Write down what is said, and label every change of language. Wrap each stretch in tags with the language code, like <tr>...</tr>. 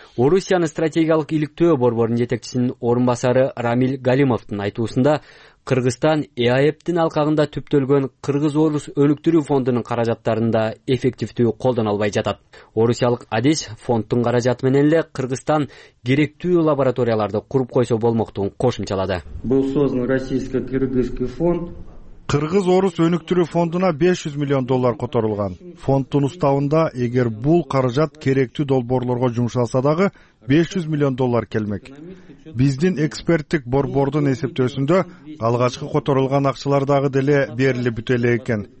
<ky>Орусиянын стратегиялык иликтөө борборунун жетекчисинин орун басары Рамил Галимовдун айтуусунда Кыргызстан ЭАЭПтин алкагында түптөлгөн кыргыз-орус өлүктүрүү фондунун каражаттарын да эффективдүү колдоно албай жатат. Орусиялык адис фонддун каражаты менен эле Кыргызстан керектүү лабораторияларды куруп койсо болмоктугун кошумчалады.</ky> <ru>Был создан российско-кыргызский фонд.</ru> <ky>Кыргыз-орус өнүктүрүү фондуна 500 миллион доллар которулган. Фонддун уставында эгер бул каражат керектүү долбоорлорго жумшалса дагы 500 миллион доллар келмек. Биздин эксперттик борбордун эсептөөсүндө алгачкы которулган акчалар дагы деле берилип бүтө элек экен.</ky>